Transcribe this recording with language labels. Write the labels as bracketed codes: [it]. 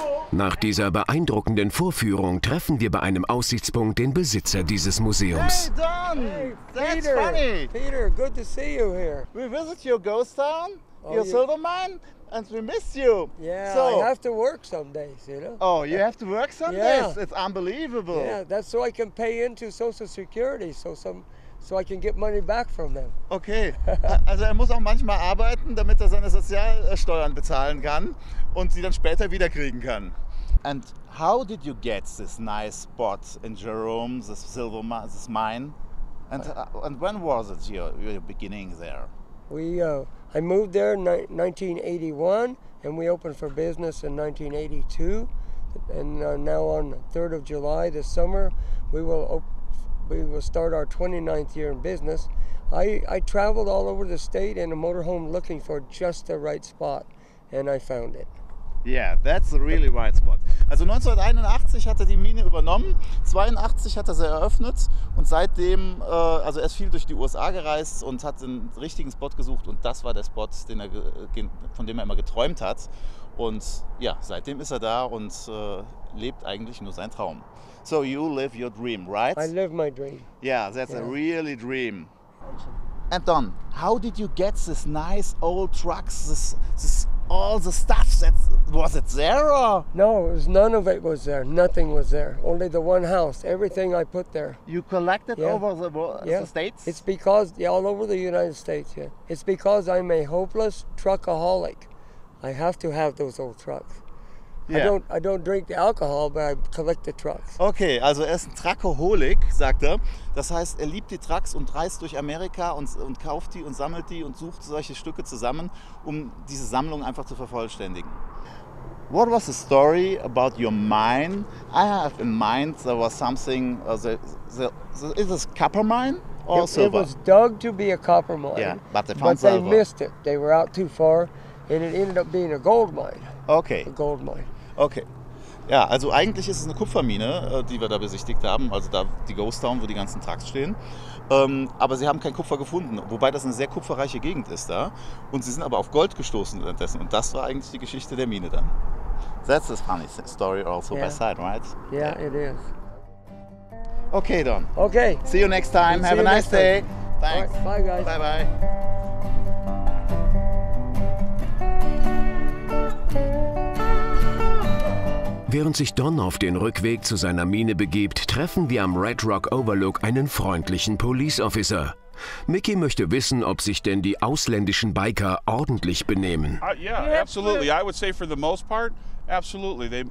[de] Nach dieser beeindruckenden Vorführung treffen wir bei einem Aussichtspunkt den Besitzer dieses Museums. [en] Hey, Don! Hey, Peter. That's funny! Peter, good to see you here. We visit your ghost town, silver mine, and we miss you. Yeah, so. I have to work some days, you know? Oh, you have to work some days? It's unbelievable. Yeah, that's so I can pay into Social Security, so I can get money back from them. [de] Okay, also er muss auch manchmal arbeiten, damit er seine Sozialsteuern bezahlen kann und sie dann später wieder kriegen kann. [en] And how did you get this nice spot in Jerome, this silver mine, this mine? And when was it your beginning there? I moved there in 1981 and we opened for business in 1982. And now on 3rd of July this summer, we will start our 29th year in business. I traveled all over the state in a motorhome looking for just the right spot and I found it. Yeah, that's a really right spot. [de] Also 1981 hat er die Mine übernommen, 1982 hat er sie eröffnet und seitdem, also er ist viel durch die USA gereist und hat den richtigen Spot gesucht und das war der Spot, den er, von dem er immer geträumt hat. Und ja, seitdem ist er da und lebt eigentlich nur seinen Traum. [en] So you live your dream, right? I live my dream. Yeah, that's a really dream. And Don, how did you get this nice old trucks, all the stuff, was it there or? No, none of it was there, nothing was there, only the one house, everything I put there. You collected over the states? It's because, all over the United States, It's because I'm a hopeless truckaholic. I have to have those old trucks. Yeah. I don't drink the alcohol, but I collect the trucks. [de] Okay, also er ist ein Truckaholic, sagt er. Das heißt, er liebt die Trucks und reist durch Amerika und kauft die und sammelt die und sucht solche Stücke zusammen, um diese Sammlung einfach zu vervollständigen. [en] What was the story about your mine? I have in mind there was something, is this copper mine or it, silver? It was dug to be a copper mine, but they silver. Missed it. They were out too far and it ended up being a gold mine. Okay. A gold mine. Okay. [de] Ja, also eigentlich ist es eine Kupfermine, die wir da besichtigt haben, also da die Ghost Town, wo die ganzen Trucks stehen. Aber sie haben kein Kupfer gefunden, wobei das eine sehr kupferreiche Gegend ist da. Und sie sind aber auf Gold gestoßen währenddessen. Und das war eigentlich die Geschichte der Mine dann. [en] That's a funny story also by side, right? Yeah, it is. Okay, Don. Okay. See you next time. Have a nice day. Thanks. Bye, guys. Bye-bye. [de] Während sich Don auf den Rückweg zu seiner Mine begibt, treffen wir am Red Rock Overlook einen freundlichen Police Officer. Mickey möchte wissen, ob sich denn die ausländischen Biker ordentlich benehmen. [en] Absolutely. I would say for the most part, absolutely.